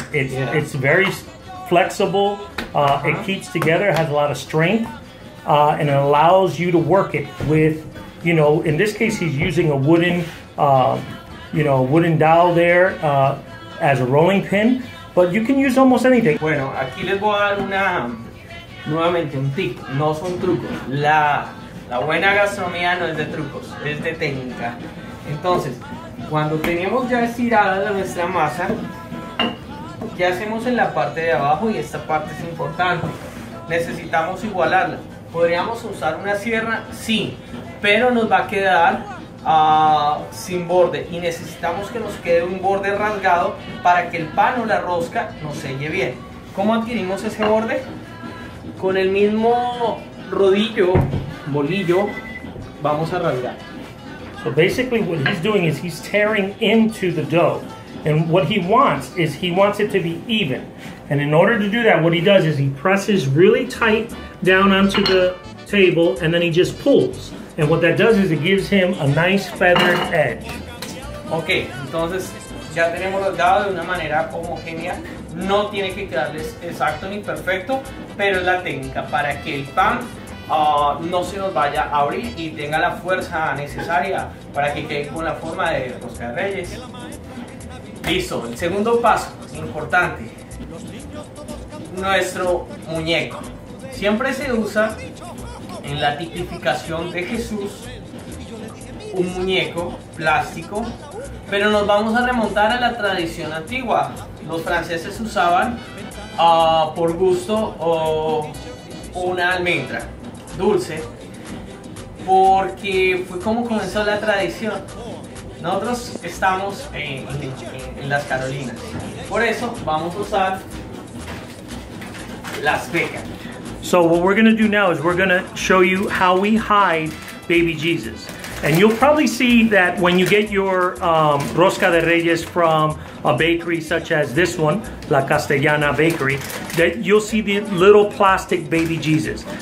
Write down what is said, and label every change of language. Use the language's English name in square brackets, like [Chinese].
[English] It's very flexible, it keeps together, has a lot of strength, and it allows you to work it with, you know, in this case he's using a wooden you know, wooden dowel there as a rolling pin, but you can use almost anything. [Spanish] Bueno, aquí les voy a dar una, nuevamente un tip, no son trucos. La buena gastronomía no es de trucos, es de técnica. Entonces, cuando tenemos ya estirada nuestra masa, ¿qué hacemos en la parte de abajo? Y esta parte es importante. Necesitamos igualarla. ¿Podríamos usar una sierra? Sí, pero nos va a quedar sin borde y necesitamos que nos quede un borde rasgado para que el pan o la rosca nos selle bien. ¿Cómo adquirimos ese borde? Con el mismo rodillo, bolillo, vamos a rasgar. [English] So basically what he's doing is he's tearing into the dough. And what he wants is he wants it to be even. And in order to do that, what he does is he presses really tight down onto the table and then he just pulls. And what that does is it gives him a nice feathered edge. [Spanish] Okay, entonces ya tenemos rasgado de una manera homogénea. No tiene que quedarles exacto ni perfecto, pero es la técnica para que el pan no se nos vaya a abrir y tenga la fuerza necesaria para que quede con la forma de rosca de reyes. Listo, el segundo paso, importante, nuestro muñeco. Siempre se usa en la tipificación de Jesús un muñeco plástico, pero nos vamos a remontar a la tradición antigua. Los franceses usaban por gusto una almendra dulce, porque fue como comenzó la tradición. Nosotros estamos en las Carolinas, por eso vamos a usar las becas. [English] So what we're going to do now is we're going to show you how we hide baby Jesus. And you'll probably see that when you get your rosca de reyes from a bakery such as this one, La Castellana Bakery, that you'll see the little plastic baby Jesus.